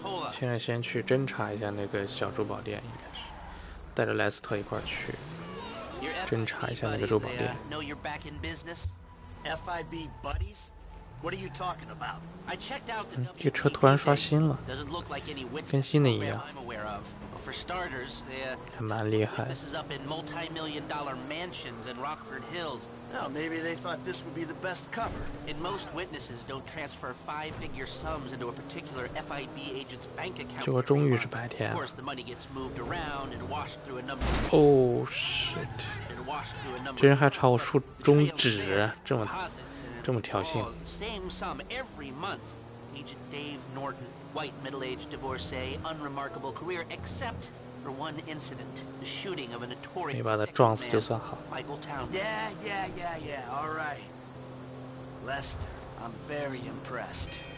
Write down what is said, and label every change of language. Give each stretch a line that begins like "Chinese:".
Chinese: 现在先去侦查一下那个小珠宝店，应该是带着莱斯特一块去侦查一下那个珠宝店。
English: Know you're back in business, FIB buddies. What are you talking about? I checked out the.
Chinese: 这车突然刷新了，跟新的一样。
English: For starters, they
Chinese: 蛮厉害。
English: This is up in multi-million-dollar mansions in Rockford Hills. Well, maybe they thought this would be the best cover. And most witnesses don't transfer five-figure sums into a particular FIB agent's bank account.
Chinese: 这回终于是白天。
English: Of course, the money gets moved around and washed through a number. Oh shit!
Chinese: 这人还朝我竖中指，这么挑衅。
English: Same sum every month. Agent Dave Norton, white middle-aged divorcee, unremarkable career except for one incident, the shooting of a notorious man, Michael Town. Yeah, all right. Lester, I'm very impressed.